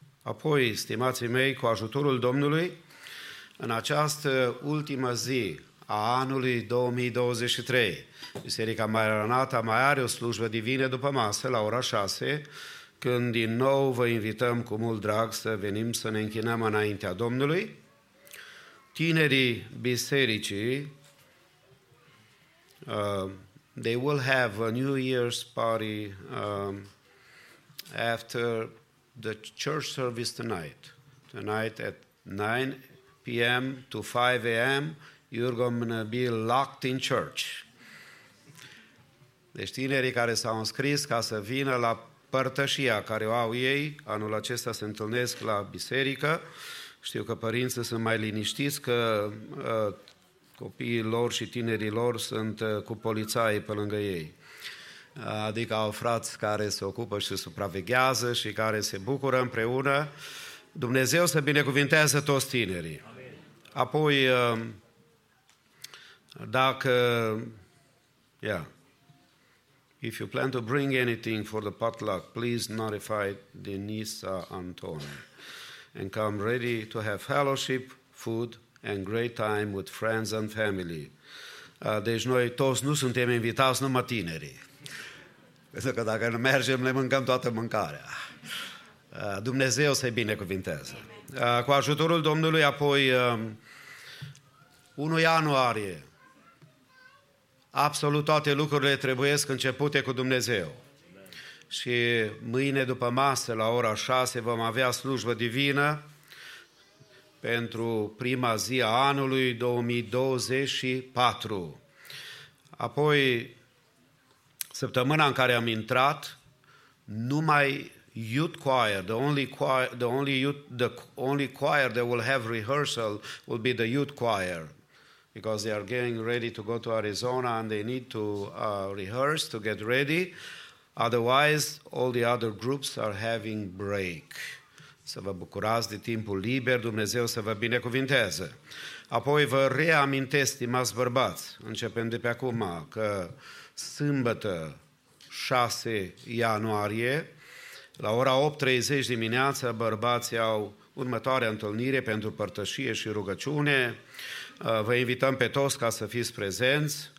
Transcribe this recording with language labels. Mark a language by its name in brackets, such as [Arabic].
[Romanian] Apoi, stimații mei, cu ajutorul Domnului, în această ultimă zi a anului 2023, Biserica Maranata mai are o slujbă divină după masă, la ora 6, când din nou vă invităm cu mult drag să venim să ne închinăm înaintea Domnului. Tinerii bisericii, [English] they will have a New Year's party after the church service tonight. Tonight at 9 p.m. to 5 a.m., you're going to be locked in church. [Romanian] Deci tinerii care s-au înscris ca să vină la părtășia care o au ei, anul acesta se întâlnesc la biserică. Știu că părinții sunt mai liniștiți că copiii lor și tinerii lor sunt cu polițaii pe lângă ei. Adică au frați care se ocupă și supraveghează și care se bucură împreună. Dumnezeu să binecuvintează toți tinerii. Amen. Apoi, dacă, [English] yeah, if you plan to bring anything for the potluck, please notify Denisa Antone and come ready to have fellowship, food and great time with friends and family. [Romanian] Deci noi toți nu suntem invitați, numai tinerii. Pentru că dacă nu mergem, ne mâncăm toată mâncarea. Dumnezeu să-i binecuvinteze. Cu ajutorul Domnului, apoi, 1 ianuarie, absolut toate lucrurile trebuiesc începute cu Dumnezeu. Și mâine după masă, la ora 6, vom avea slujbă divină pentru prima zi a anului 2024. Apoi, săptămâna în care am intrat, numai [English] youth choir, the only choir that will have rehearsal will be the youth choir, because they are getting ready to go to Arizona and they need to rehearse to get ready. Otherwise, all the other groups are having break. [Romanian] Să vă bucurați de timpul liber, Dumnezeu să vă binecuvinteze. Apoi vă reamintesc, stimați bărbați, începem de pe acum, că sâmbătă, 6 ianuarie, la ora 8:30 dimineața, bărbații au următoarea întâlnire pentru părtășie și rugăciune. Vă invităm pe toți ca să fiți prezenți.